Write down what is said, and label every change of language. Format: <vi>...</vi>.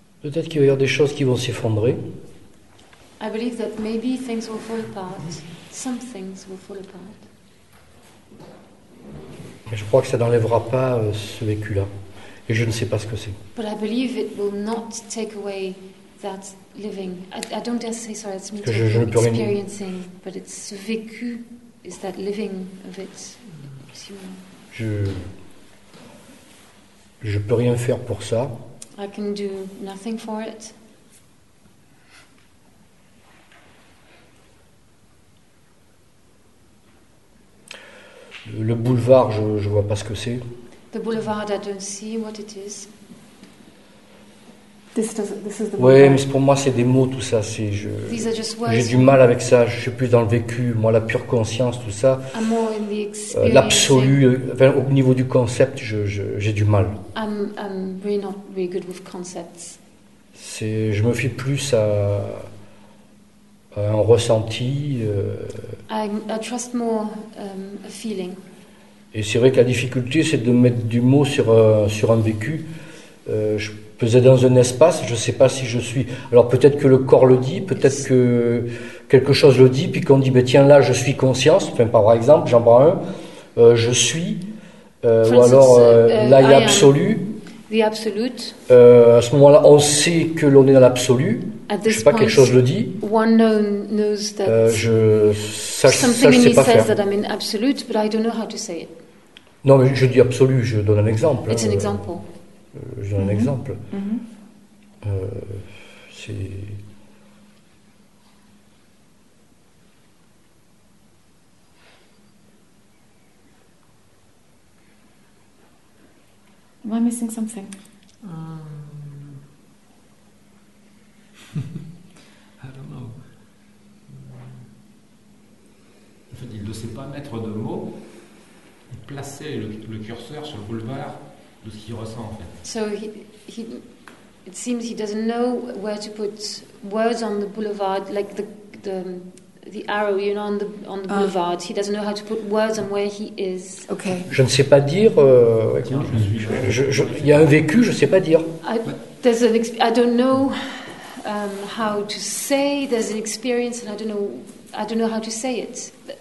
<fr>peut-être qu'il va y avoir des choses qui vont s'effondrer.</fr> <en>I believe that maybe things will fall apart. Some things will fall apart.</en> <fr>Mais je crois que ça n'enlèvera pas ce vécu-là. Et je ne sais pas ce que c'est.</fr> <en>But I believe it will not take away that living. I don't dare say sorry, it's me experiencing, but it's</en> <fr>ce vécu,</fr> <en>is that living of it.</en> <fr>Je ne peux rien faire pour ça.</fr> <en>I can do nothing for it.</en> <fr>Le boulevard, je vois pas ce que c'est.</fr> <en>The boulevard, I don't see what it is. This is the boulevard.</en> <fr>Oui, mais pour moi, c'est des mots, tout ça. C'est,</fr> <en>these are just words.</en> <fr>J'ai du mal avec ça. Je suis plus dans le vécu. Moi, la pure conscience, tout ça.</fr> <en>I'm more in the experience.</en> <fr>L'absolu, enfin, au niveau du concept, j'ai du mal.</fr> <en>I'm really not really good with concepts.</en> <fr>Je me fie plus à un ressenti.</fr> <en>I trust more a feeling.</en> <fr>Et c'est vrai que la difficulté, c'est de mettre du mot sur un vécu. Je faisais dans un espace, je ne sais pas si je suis. Alors peut-être que le corps le dit, peut-être que quelque chose le dit, puis qu'on dit, mais tiens, là, je suis conscience. Enfin, par exemple, j'en prends un, je suis, ou alors là, il y a absolu.</fr> <en>The absolute.</en> <fr>À ce moment-là, on sait que l'on est dans l'absolu.</fr> <en>At this point,</en> <fr>quelque chose le dit.</fr> <en>One knows that something in me says that I'm in absolute, but I don't know how to say it.</en> <fr>Non, mais je dis absolu, je donne un exemple.</fr> <en>It's an example.</en> <fr>Je donne un exemple. C'est...</fr> <en>Am I missing something? I don't know.</en> <fr>En fait, il ne sait pas mettre de mots et placer le curseur sur le boulevard de ce qu'il ressent, en fait.</fr> <en>So it seems he doesn't know where to put words on the boulevard, like the arrow, you know, on the boulevard. He doesn't know how to put words on where he is. Okay.</en> <fr>Je ne sais pas dire. Il y a un vécu, je ne sais pas dire.</fr> <en>I don't know how to say. There's an experience, and I don't know how to say it.</en>